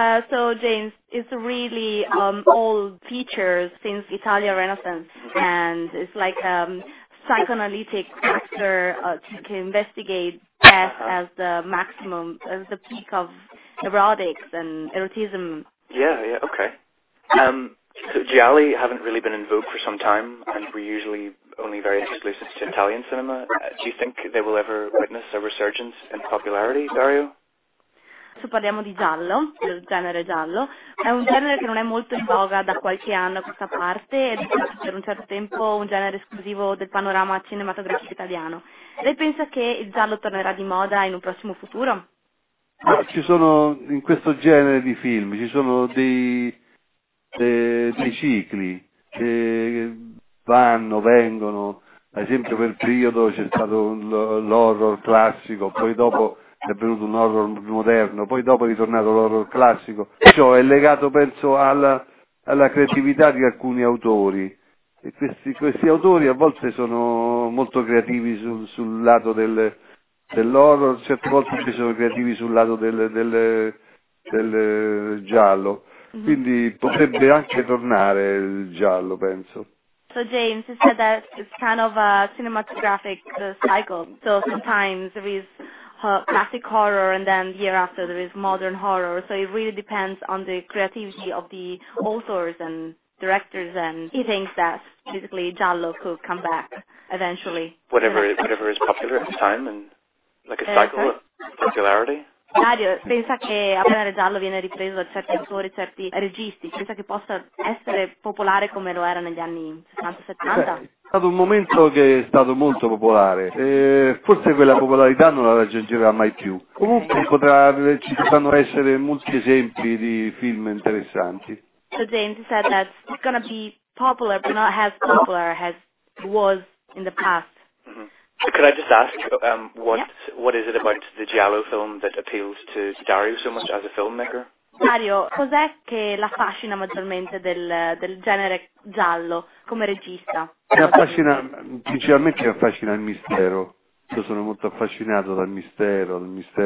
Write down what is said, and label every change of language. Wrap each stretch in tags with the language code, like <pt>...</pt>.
<en>So James, it's a really old feature since Italian Renaissance, and it's like a psychoanalytic factor to investigate death as the maximum, as the peak of erotics and erotism. Yeah, okay. So gialli haven't really been in vogue for some time, and we're usually only very exclusive to Italian cinema. Do you think they will ever witness a resurgence in popularity, Dario?</en> <it>Adesso parliamo di giallo, del genere giallo, è un genere che non è molto in voga da qualche anno a questa parte ed è stato per un certo tempo un genere esclusivo del panorama cinematografico italiano. Lei pensa che il giallo tornerà di moda in un prossimo futuro? Ci sono, in questo genere di film, ci sono dei cicli che vanno, vengono, ad esempio per periodo c'è stato l'horror classico, poi dopo è venuto un horror moderno, poi dopo è ritornato l'horror classico. Ciò è legato, penso, alla creatività di alcuni autori. E questi autori a volte sono molto creativi sul lato dell'horror, certe volte invece sono creativi sul lato del giallo. Quindi potrebbe anche tornare il giallo, penso.</it> <en>So James, you said that it's kind of a cinematographic cycle, so sometimes there is classic horror and then the year after there is modern horror, so it really depends on the creativity of the authors and directors, and he thinks that basically giallo could come back eventually. Whatever is popular at the time, and like a cycle of popularity.</en> <it>Dario, pensa che appena il giallo viene ripreso da certi autori, certi registi, pensa che possa essere popolare come lo era negli anni 60-70? È stato un momento che è stato molto popolare, forse quella popolarità non la raggiungerà mai più. Comunque ci potranno essere molti esempi di film interessanti.</it> <en>So James said that it's gonna be popular, but not as popular as it was in the past. So could I just ask, what is it about the giallo film that appeals to Dario so much as a filmmaker?</en> <it>Dario, cos'è che l'affascina maggiormente del genere giallo come regista? Principalmente affascina il mistero. Io sono molto affascinato dal mistero.</it>